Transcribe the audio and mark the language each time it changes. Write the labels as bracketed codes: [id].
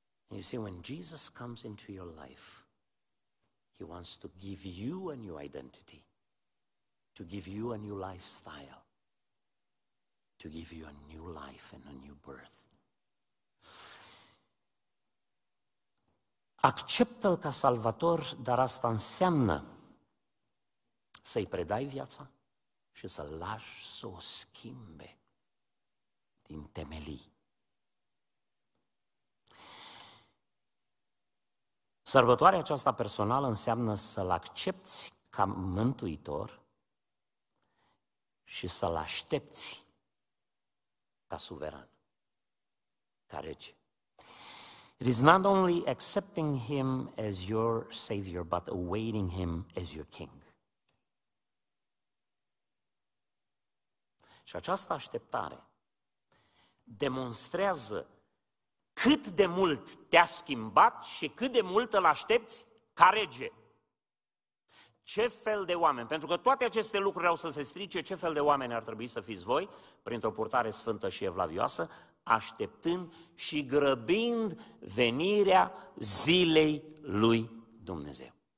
[en] You see, when Jesus comes into your life, he wants to give you a new identity, to give you a new lifestyle, to give you a new life and a new birth. [ro] Acceptă-l ca salvator, dar asta înseamnă să-i predai viața și să-l lași să o schimbe din temelii. Sărbătoarea aceasta personală înseamnă să-l accepți ca mântuitor și să-l aștepți ca suveran, ca rege. [en] It is not only accepting him as your savior, but awaiting him as your king. [ro] Și această așteptare demonstrează cât de mult te-a schimbat și cât de mult îl aștepți ca rege. Ce fel de oameni? Pentru că toate aceste lucruri au să se strice, ce fel de oameni ar trebui să fiți voi, printr-o purtare sfântă și evlavioasă, așteptând și grăbind venirea zilei lui Dumnezeu.